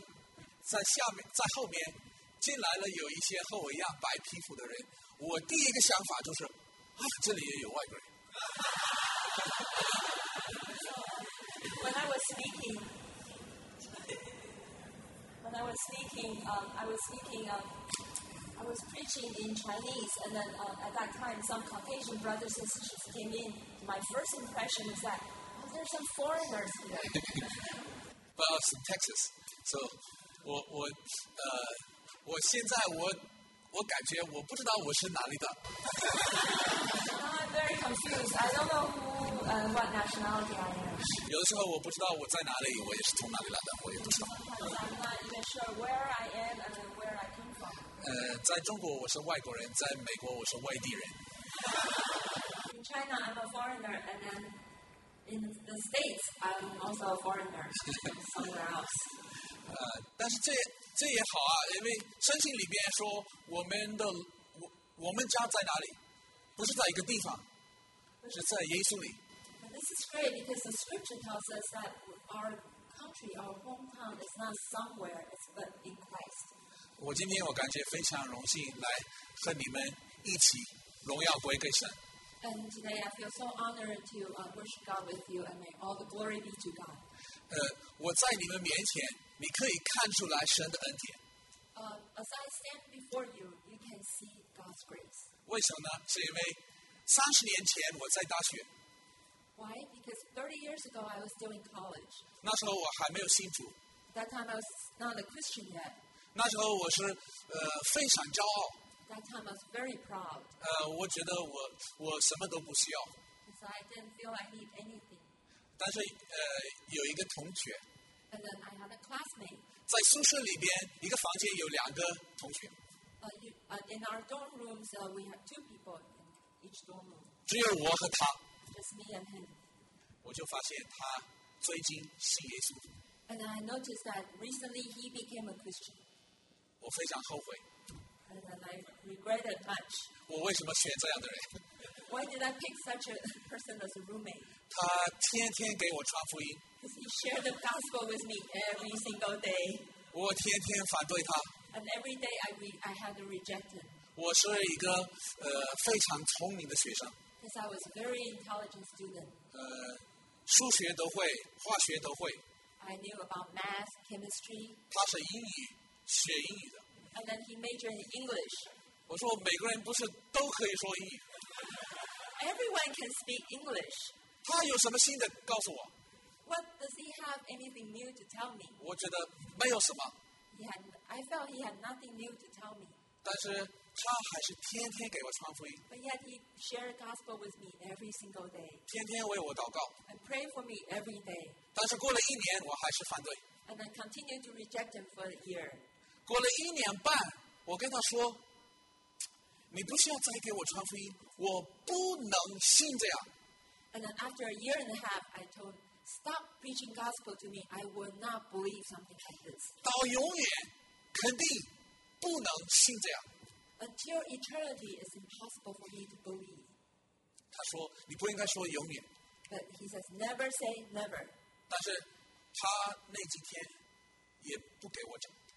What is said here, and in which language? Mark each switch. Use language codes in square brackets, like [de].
[zh] 准备好了，我再用中文。那时候我刚回来了，然后我开始讲话，我就看在下面，在后面。进来了有一些和我一样白皮肤的人，我第一个想法就是，啊，这里也有外国人。 [en] When I was preaching in Chinese, and then at that time, some Caucasian brothers and sisters came in. My first impression is that, oh, there's some foreigners here. But I was in Texas, so [zh] 我我现在我感觉我不知道我是哪里的。 [en] I'm very confused. I don't know who and what nationality I am. [zh] 有的时候我不知道我在哪里，我也是从哪里来的，我也不知道。 [en] Sometimes I'm not even sure where I am and where I come from. [zh] 在中国我是外国人，在美国我是外地人。 [en] In China I'm a foreigner, and then in the States I'm also a foreigner somewhere else. [zh] 但是这也好啊，因为圣经里边说我们家在哪里，不是在一个地方，是在耶稣里。 [en] This is great because the scripture tells us that our country, our hometown is not somewhere, it's but in Christ. [zh] 我今天我感觉非常荣幸来和你们一起荣耀归给神。 [en] And today I feel so honored to worship God with you, and may all the glory be to God. [zh] 我在你们面前。你可以看出来神的恩典。 [en] As I stand before you, you can see God's grace. [zh] 为什么呢？是因为30年前我在大学。 [en] Why? Because 30 years ago I was still in college. [zh] 那时候我还没有信主。 [en] That time I was not a Christian yet. [zh] 那时候我是非常骄傲。 [en] That time I was very proud. [zh] 我觉得我什么都不需要。 [en] Because I didn't feel I need anything. [zh] 但是有一个同学。 [en] And then I had a classmate. [zh] 在宿舍里边，一个房间有两个同学。 [en] In our dorm rooms, we have two people in each dorm room. [zh] 只有我和他。 [en] Just me and him. [zh] 我就发现他最近信耶稣。 [en] And I noticed that recently he became a Christian. [zh] 我非常后悔。 [en] And then I regretted much. [zh] 我为什么选这样的人？ [en] Why did I pick such a person as a roommate? [zh] 他天天给我传福音。 [en] He shared the gospel with me every single day. [zh] 我天天反对他。 [en] And every day I had to reject him. [zh] 我是一个非常聪明的学生。 [en] Because I was a very intelligent student. [zh] 数学都会，化学都会。 [en] I knew about math, chemistry. [zh] 他是英语，学英语的。 [en] And then he majored in English. [zh] 我说每个人不是都可以说英语。 [en] Everyone can speak English. [zh] 他有什么新的告诉我？ [en] What does he have anything new to tell me? [zh] 我觉得没有什么。 [en] I felt he had nothing new to tell me. [zh] 但是他还是天天给我传福音。 [en] But yet he shared gospel with me every single day. [zh] 天天为我祷告。 [en] And pray for me every day. [zh] 但是过了一年，我还是反对。 [en] And I continued to reject him for a year. [zh] 过了一年半，我跟他说，你不需要再给我传福音，我不能信这样。 [en] And then after a year and a half, I told him,Stop preaching gospel to me. I will not believe something like this. [zh] 到永远，肯定不能信这样。 [en] Until eternity is impossible for me to believe. [zh] 他说，你不应该说永远。 [en] But he says, never say never. [zh] 但是他那几天也不给我讲。